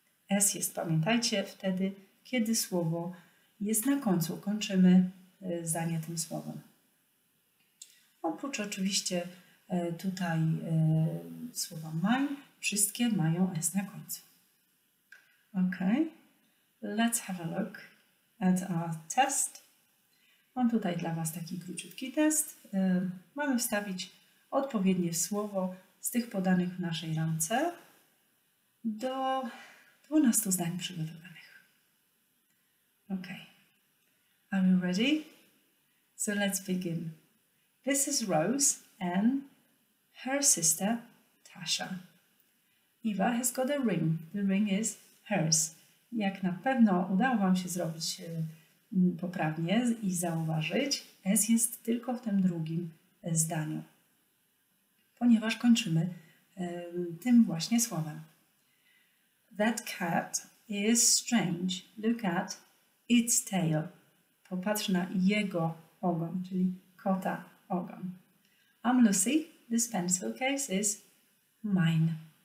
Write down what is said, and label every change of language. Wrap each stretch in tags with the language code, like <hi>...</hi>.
<pl>S jest, pamiętajcie, wtedy, kiedy słowo jest na końcu, kończymy zdanie tym słowem. Oprócz oczywiście tutaj słowa mine, wszystkie mają S na końcu.</pl> <en>Ok, let's have a look at our test.</en> <pl>Mam tutaj dla Was taki króciutki test. Mamy wstawić odpowiednie słowo z tych podanych w naszej ramce do 12 zdań przygotowanych.</pl> <en>Ok. Are you ready? So let's begin. This is Rose and her sister Tasha. Eva has got a ring. The ring is hers.</en> <pl>Jak na pewno udało Wam się zrobić poprawnie i zauważyć, S jest tylko w tym drugim zdaniu, ponieważ kończymy tym właśnie słowem.</pl> <en>That cat is strange. Look at its tail.</en> <pl>Popatrz na jego ogon, czyli kota ogon.</pl> <en>I'm Lucy. This pencil case is mine.</en>